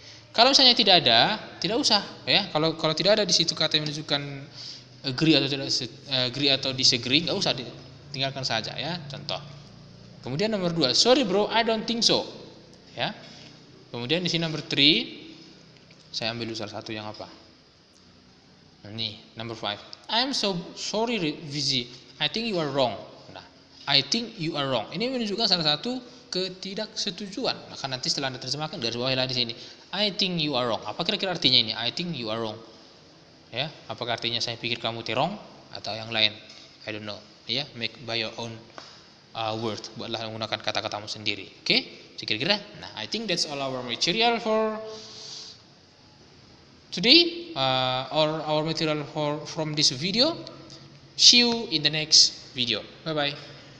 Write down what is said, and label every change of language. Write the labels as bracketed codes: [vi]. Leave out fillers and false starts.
[id] Kalau misalnya tidak ada, tidak usah, ya. Kalau tidak ada di situ kata yang menunjukkan agree atau tidak agree atau disagree, enggak usah, tinggalkan saja, ya. Contoh. Kemudian nomor 2, [en] sorry bro, I don't think so. [id] Ya. Kemudian di sini nomor 3, saya ambil salah satu yang apa? Ini, nomor 5. [en] I'm so sorry, Vizi. I think you are wrong. Nah, I think you are wrong. [id] Ini menunjukkan salah satu ketidaksetujuan. Maka nanti setelah Anda terjemahkan garis bawahilah di sini, [en] I think you are wrong. [id] Apa kira-kira artinya ini? I think you are wrong. Ya, apakah artinya saya pikir kamu terong atau yang lain? [en] I don't know. Ya, make by your own word. [id] Buatlah menggunakan kata-katamu sendiri. Oke? Okay? Kira-kira? [en] Nah, I think that's all our material for today, or our material for from this video. See you in the next video. Bye-bye.